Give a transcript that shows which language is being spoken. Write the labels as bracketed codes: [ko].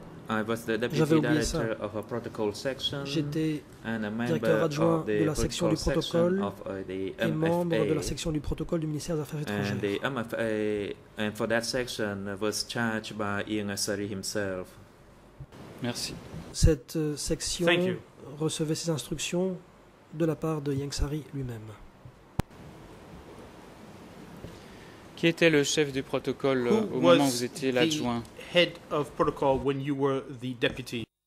[en] I was the deputy director of a protocol section and a member of the protocol section of the MFA. [fr] Et membre de la section du protocole du ministère des Affaires étrangères. [en] And the MFA, and for that section, was charged by Yin Seri himself. [fr] Merci. Cette section recevait ses instructions de la part de Yin Seri lui-même. Qui était le chef du protocole au moment où vous étiez l'adjoint? [en] Head of protocol when you were the deputy.